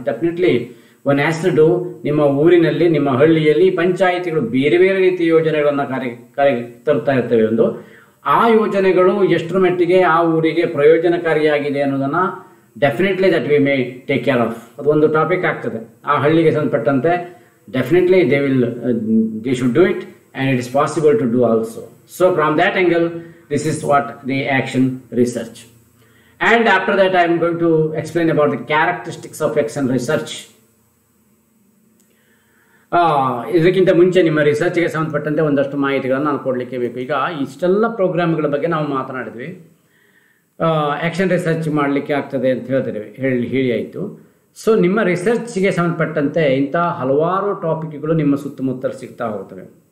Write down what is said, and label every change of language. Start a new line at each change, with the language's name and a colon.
English: Definitely one has to do.
Kannada: ನಿಮ್ಮ ಊರಿನಲ್ಲಿ, ನಿಮ್ಮ ಹಳ್ಳಿಯಲ್ಲಿ ಪಂಚಾಯಿತಿಗಳು ಬೇರೆ ಬೇರೆ ರೀತಿಯ ಯೋಜನೆಗಳನ್ನು ಕಾರ್ಯ ತರ್ತಾ ಇರ್ತವೆ. ಒಂದು ಆ ಯೋಜನೆಗಳು ಎಷ್ಟರ ಮಟ್ಟಿಗೆ ಆ ಊರಿಗೆ ಪ್ರಯೋಜನಕಾರಿಯಾಗಿದೆ ಅನ್ನೋದನ್ನು
English: Definitely that we may take care of.
Kannada: ಅದೊಂದು ಟಾಪಿಕ್ ಆಗ್ತದೆ. ಆ ಹಳ್ಳಿಗೆ ಸಂಬಂಧಪಟ್ಟಂತೆ
English: Definitely they should do it. and it is possible to do also. So from that angle, this is what the action research. And after that, I am going to explain about the characteristics of action research.
Kannada: ಇದಕ್ಕಿಂತ ಮುಂಚೆ ನಿಮ್ಮ ರಿಸರ್ಚ್ಗೆ ಸಂಬಂಧಪಟ್ಟಂತೆ ಒಂದಷ್ಟು ಮಾಹಿತಿಗಳನ್ನು ನಾನು ಕೊಡಲಿಕ್ಕೆ ಬೇಕು. ಈಗ ಇಷ್ಟೆಲ್ಲ ಪ್ರೋಗ್ರಾಮ್ಗಳ ಬಗ್ಗೆ ನಾವು ಮಾತನಾಡಿದ್ವಿ, ಆ್ಯಕ್ಷನ್ ರಿಸರ್ಚ್ ಮಾಡಲಿಕ್ಕೆ ಆಗ್ತದೆ ಅಂತ ಹೇಳಿದ್ರೆ ಹೇಳಿ ಆಯಿತು. ಸೊ ನಿಮ್ಮ ರಿಸರ್ಚ್ಗೆ ಸಂಬಂಧಪಟ್ಟಂತೆ ಇಂಥ ಹಲವಾರು ಟಾಪಿಕ್ಗಳು ನಿಮ್ಮ ಸುತ್ತಮುತ್ತಲು ಸಿಗ್ತಾ ಹೋಗ್ತವೆ.